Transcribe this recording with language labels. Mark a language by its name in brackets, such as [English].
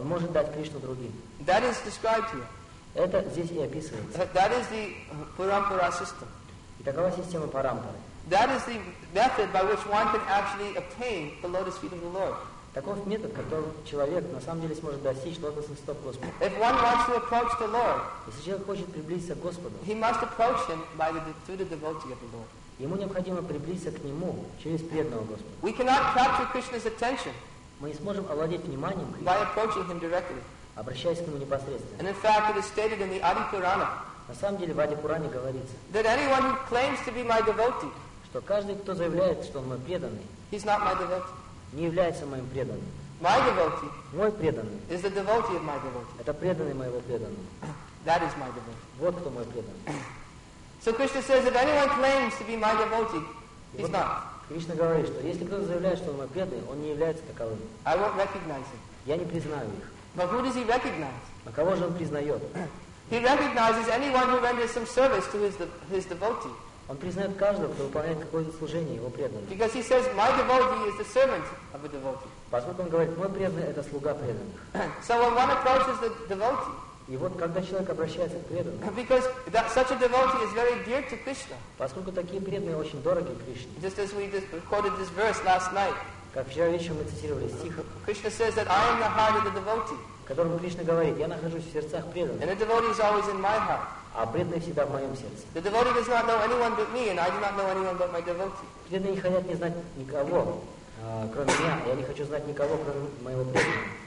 [Russian] Он может дать Кришну другим. [English] That is described here. [Russian] Это здесь и описывается. [English] That is the parampara system. [Russian] И такова система парампары. [English] That is the method by which one can actually obtain the lotus feet of the Lord. [Russian] Таков метод, которым человек на самом деле сможет достичь лотосных стоп Господа. [English] If one wants to approach the Lord, [Russian] если человек хочет приблизиться к Господу, [English] he must approach him by through the devotee of the Lord. [Russian] Ему необходимо приблизиться к Нему через преданного Господа. [English] We cannot capture Krishna's attention, [Russian] мы не сможем овладеть вниманием Кришны, [English] by approaching him directly, [Russian] обращаясь к Нему непосредственно. [English] And in fact, it is stated in the Adi Purana, [Russian] на самом деле в Ади Пуране говорится, [English] that anyone who claims to be my devotee, [Russian] что каждый, кто заявляет, что он мой преданный, [English] he's not my devotee, [Russian] не является моим преданным. [English] My devotee, [Russian] мой преданный, [English] is the devotee of my devotee. [Russian] Это преданный моего преданного. [English] That is my devotee. [Russian] Вот кто мой преданный. [English] So Krishna says, if anyone claims to be my devotee, he's not. [Russian] Кришна говорит, что если кто-то заявляет, что он мой преданный, он не является таковым. [English] I won't recognize him. [Russian] Я не признаю их. [English] But who does he recognize? [Russian] А кого же он признает? [English] He recognizes anyone who renders some service to his devotee. [Russian] Он признает каждого, кто выполняет какое-то служение его преданному. [English] Because he says, my devotee is the servant of a devotee. [Russian] Поскольку он говорит, мой преданный — это слуга преданных. [English] So when one approaches the devotee. [Russian] И вот когда человек обращается к преданному, [English] because that such a devotee is very dear to Krishna, [Russian] поскольку такие преданные очень дороги Кришне, [English] just as we just quoted this verse last night, [Russian] как вчера вечером мы цитировали стих, [English] Krishna says that I am the heart of the devotee, [Russian] в котором Кришна говорит, я нахожусь в сердцах преданных, [English] and the devotee is always in my heart, [Russian] а преданный всегда в моем сердце. [English] The devotee does not know anyone but me, and I do not know anyone but my devotee. [Russian] Преданные не хотят не знать никого, кроме меня, я не хочу знать никого, кроме моего преданного.